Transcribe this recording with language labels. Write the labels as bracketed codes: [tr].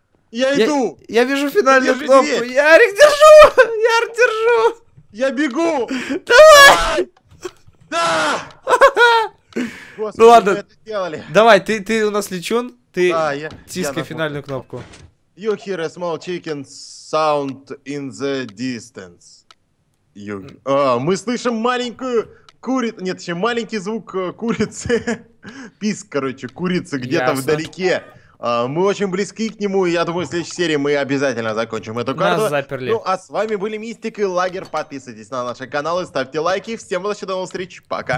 [ru] Я иду. Я вижу финальную кнопку. Ярик, держу. Яр, держу. Я бегу. Давай. Да. Ну ладно. Давай, ты у нас лечун. Ты тискай финальную кнопку. [en] You hear a small chicken sound in the distance. [ru] Мы слышим маленькую курицу. Нет, еще маленький звук курицы. Писк, короче, курицы где-то вдалеке. Мы очень близки к нему, и я думаю, в следующей серии мы обязательно закончим эту карту. Нас заперли. Ну, а с вами были Мистик и Лагерь. Подписывайтесь на наши каналы, ставьте лайки. Всем удачи, до новых встреч. Пока.